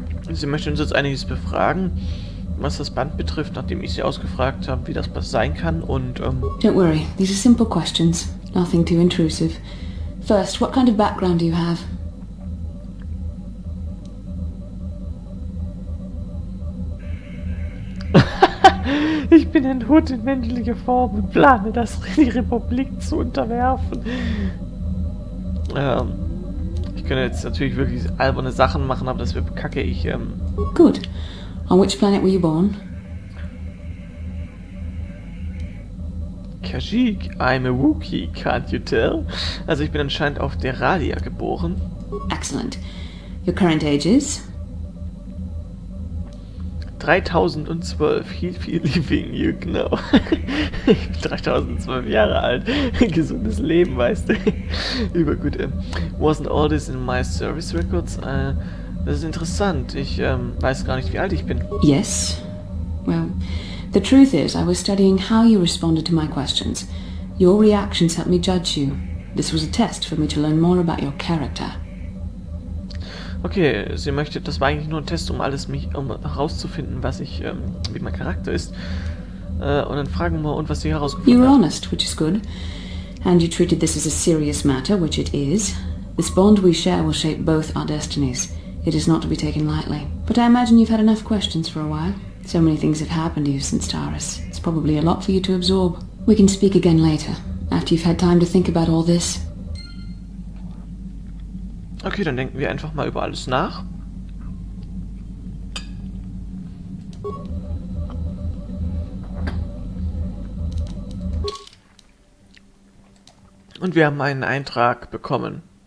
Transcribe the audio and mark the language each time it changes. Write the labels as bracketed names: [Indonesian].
[German] Sie möchte uns jetzt einiges befragen, was das Band betrifft, nachdem ich sie ausgefragt habe, wie das sein kann und [English] Don't worry, these are simple questions. Nothing too intrusive. First, what kind of background do you have? [German] Ich bin ein Hut in menschlicher Form und plane, das die Republik zu unterwerfen. Ich könnte jetzt natürlich wirklich alberne Sachen machen, aber das wird kacke. Ich, [English] Good. On which planet were you born? [German] Kashyyyk, [English] I'm a Wookiee, can't you tell? [German] Also ich bin anscheinend auf Deralia geboren. [English] Excellent. Your current age is? [German] 3012, [English] healthy living you, [German] genau. 3012 Jahre alt, gesundes Leben, weißt du. [English] Übergut, wasn't all this in my service records? [German] Das ist interessant, ich weiß gar nicht, wie alt ich bin. [English] Yes, well, the truth is, I was studying how you responded to my questions. Your reactions helped me judge you. This was a test for me to learn more about your character. [German] Okay, sie möchte, das war eigentlich nur ein Test, um herauszufinden, was ich, wie mein Charakter ist. Und dann fragen wir, und was sie herausgefunden [English] hat. You're honest, which is good. And you treated this as a serious matter, which it is. This bond we share will shape both our destinies. It is not to be taken lightly. But I imagine you've had enough questions for a while. So many things have happened to you since Taris. It's probably a lot for you to absorb. We can speak again later, after you've had time to think about all this. [German] Okay, dann denken wir einfach mal über alles nach. Und wir haben einen Eintrag bekommen.